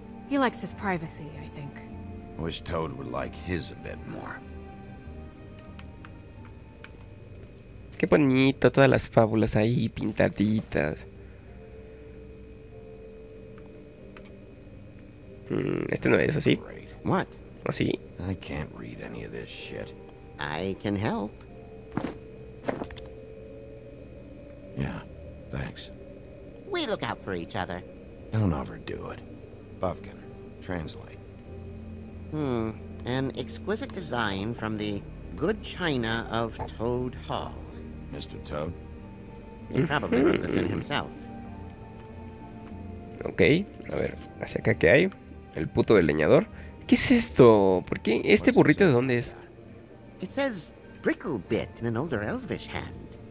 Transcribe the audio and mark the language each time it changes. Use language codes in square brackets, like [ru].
[en] He likes his privacy, I think. Wish Toad would like his a bit more. [es] Qué bonito, todas las fábulas ahí pintaditas. Este no es, ¿o sí? [en] What? [es] ¿O sí? [en] I can't read any of this shit. I can help. Yeah, thanks. We look out for each other. Don't overdo it. Bufkin, translate. An exquisite design from the good china of Toad Hall. Mr. Toad? He probably wrote this in himself. [es] Okay, a ver, ¿hacia acá qué hay? El puto del leñador. ¿Qué es esto? ¿Por qué este burrito de dónde es? [en] It says Bricklebit in an older elvish hand.